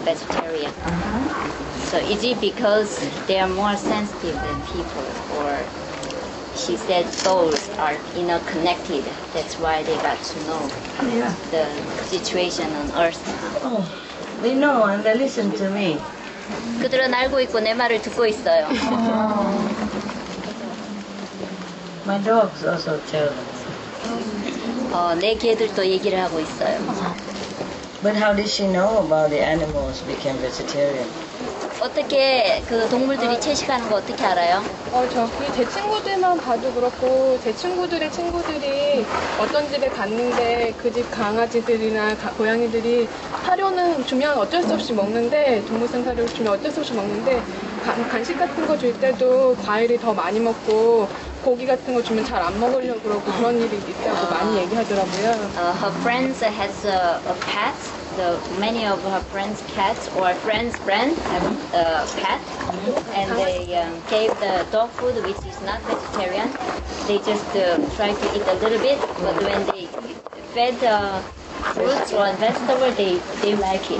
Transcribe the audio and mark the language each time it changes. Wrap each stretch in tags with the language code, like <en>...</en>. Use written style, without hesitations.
<en>The animals, dogs and cats, they're prone to be, vegetarian. So is it because they are more sensitive than people, or she said souls are interconnected? That's why they got to know the situation on Earth. Oh, they know and they listen to me.</en> <ko>그들은 알고 있고 내 말을 듣고 있어요.</ko> <en>My dogs also tell us.</en> <ko>내 개들도 얘기를 하고 있어요.</ko> <en>But how did she know about the animals became vegetarian?</en> <ko>어떻게 그 동물들이 채식하는 거 어떻게 알아요? 저기 제 친구들만 봐도 그렇고 제 친구들의 친구들이 어떤 집에 갔는데 그 집 강아지들이나 고양이들이 사료는 주면 어쩔 수 없이 먹는데 동물성 사료를 주면 어쩔 수 없이 먹는데 간식 같은 거 줄 때도 과일이 더 많이 먹고 고기 같은 거 주면 잘 안 먹으려고 그러고 그런 일이 있다고 많이 얘기하더라고요.</ko> <en>Her friends has a pet. So many of her friends' cats or friends' friends have a pet, and they gave the dog food, which is not vegetarian. They just try to eat a little bit, but when they fed fruits or vegetables, they like it</en>